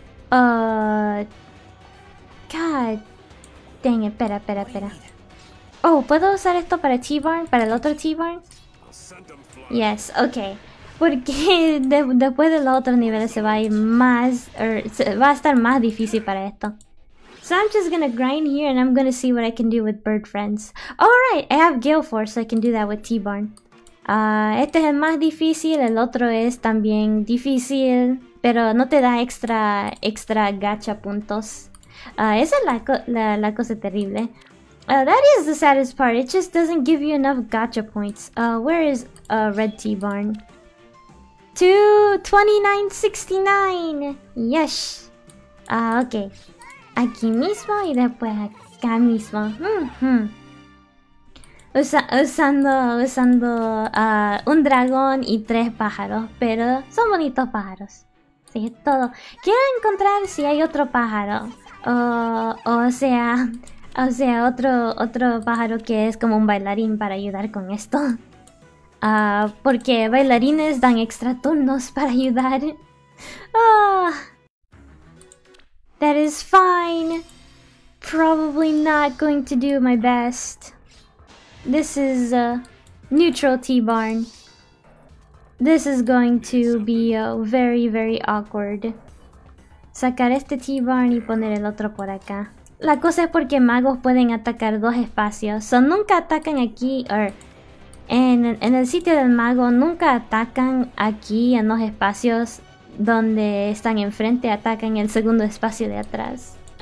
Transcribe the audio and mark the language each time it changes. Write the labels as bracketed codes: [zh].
[en] God. Dang it, [es] espera. Oh, ¿puedo usar esto para T-Barn? ¿Para el otro T-Barn? [en] Yes, ok. [es] Porque después de los otros niveles se va a ir más. Va a estar más difícil para esto. [en] So I'm just gonna grind here and I'm gonna see what I can do with Bird Friends. Alright, I have Gale Force, so I can do that with T-Barn. [es] Este es el más difícil, el otro es también difícil, pero no te da extra gacha puntos. Esa es la cosa terrible. [en] That is the saddest part, it just doesn't give you enough gacha points. Where is Red T-Barn? 2-29-69. Yes. Ok. [es] Aquí mismo y después acá mismo. Usando un dragón y tres pájaros, pero son bonitos pájaros. Sí, es todo. Quiero encontrar si hay otro pájaro. O sea, O sea, otro pájaro que es como un bailarín para ayudar con esto. Porque bailarines dan extra turnos para ayudar. [en] Oh, that is fine. Probably not going to do my best. This is a neutral tea barn. This is going to be very, very awkward. [es] Sacar este tea barn y poner el otro por acá. La cosa es porque magos pueden atacar dos espacios. So, nunca atacan aquí, or en el sitio del mago, nunca atacan aquí en los espacios donde están enfrente, atacan el segundo espacio de atrás.